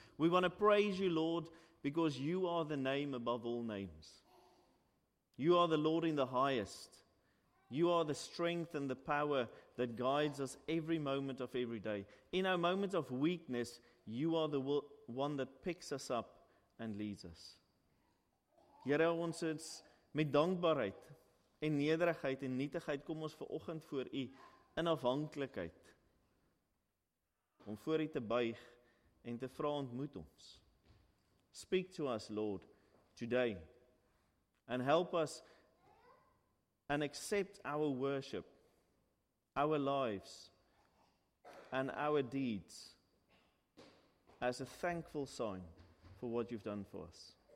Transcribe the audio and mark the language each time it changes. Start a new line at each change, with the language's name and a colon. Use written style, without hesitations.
English: We want to praise You, Lord, because You are the name above all names. You are the Lord in the highest. You are the strength and the power that guides us every moment of every day. In our moments of weakness, You are the one that picks us up and leads us.
Afrikaans: Here, ons is met dankbaarheid en nederigheid en nietigheid, kom ons vanoggend voor U in afhanklikheid. Om voor U te buig en te vra, ontmoet ons.
English: Speak to us, Lord, today. And help us and accept our worship, our lives, and our deeds as a thankful sign for what You've done for us.